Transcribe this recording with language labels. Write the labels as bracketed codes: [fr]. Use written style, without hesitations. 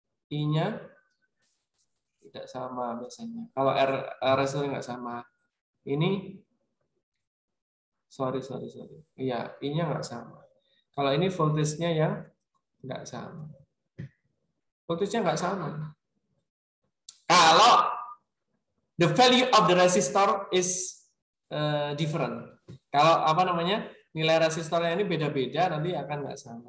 [id] I-nya tidak sama biasanya. Kalau resistor enggak sama. Ini sorry. Iya, I-nya enggak sama. Kalau ini voltage-nya yang enggak sama. Voltage-nya enggak sama. Kalau [en] the value of the resistor is different. [id] Kalau apa namanya? Nilai resistornya ini beda-beda nanti akan enggak sama.